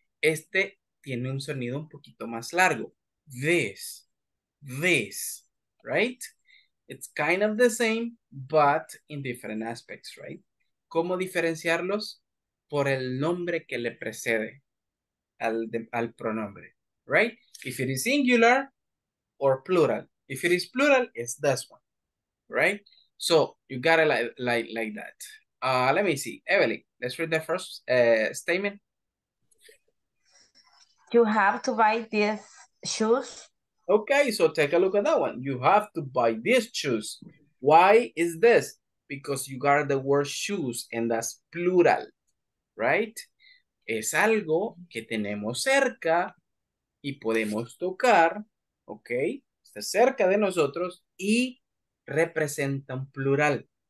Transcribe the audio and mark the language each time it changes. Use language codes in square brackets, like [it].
[es] Este tiene un sonido un poquito más largo. [en] This. This. Right? It's kind of the same, but in different aspects, right? [es] ¿Cómo diferenciarlos? Por el nombre que le precede al pronombre. [en] Right? If it is singular or plural. If it is plural, it's this one. Right? So, you got it like that. Let me see. Evelyn, let's read the first statement. You have to buy these shoes. Okay, so take a look at that one. You have to buy these shoes. Why is this? Because you got the word shoes, and that's plural, right? [es] Es algo que tenemos cerca y podemos tocar, okay? Está cerca de nosotros y representa un plural.